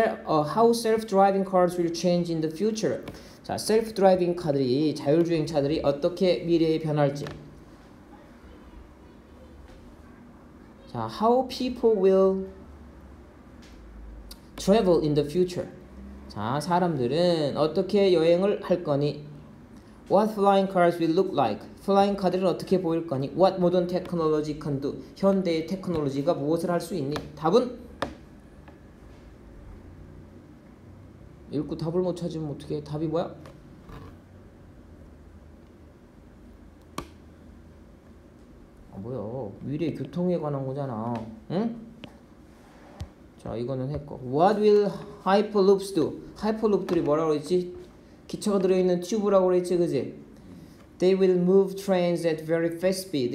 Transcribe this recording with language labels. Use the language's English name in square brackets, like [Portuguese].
[English] How self-driving cars will change in the future. [Korean] 자, self-driving 카들이 자율주행 차들이 어떻게 미래에 변할지. [English] 자, how people will travel in the future. [Korean] 자, 사람들은 어떻게 여행을 할 거니? [English] What flying cars will look like? [Korean] 플라잉 카드는 어떻게 보일 거니? [English] What modern technology can do? [Korean] 현대의 테크놀로지가 무엇을 할 수 있니? 답은? 읽고 답을 못 찾으면 어떻게 해? 답이 뭐야? 아, 뭐야? 미래 교통에 관한 거잖아. 응? 자, 이거는 했고. [English] What will hyperloops do? [Korean] 하이퍼룹들이 뭐라고 그랬지? 기차가 들어있는 튜브라고 그랬지, 그지? [English] They will move trains at very fast speed.